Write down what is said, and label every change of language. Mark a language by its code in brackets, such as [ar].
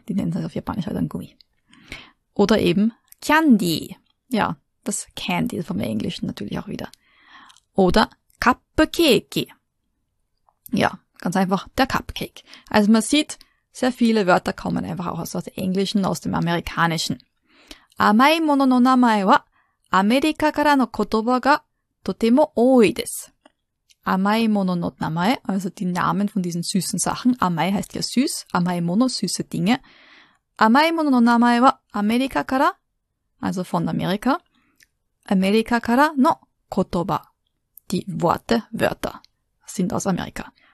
[de] Die nennen sie auf Japanisch halt dann Gummi. Oder eben Candy. Ja, das Candy vom Englischen natürlich auch wieder. Oder Cupcake. Ja, ganz einfach der Cupcake. Also man sieht, sehr viele Wörter kommen einfach auch aus dem Englischen, aus dem Amerikanischen. [ja] 甘いものの名前はアメリカからの言葉がとても多いです。 Amaimono no Namae, [de] also die Namen von diesen süßen Sachen. Amai heißt ja süß, Amaimono, süße Dinge. [ja] Amaimono no Namae wa Amerika kara, [de] also von Amerika. [ja] Amerika kara no Kotoba, [de] die Worte, Wörter, sind aus Amerika.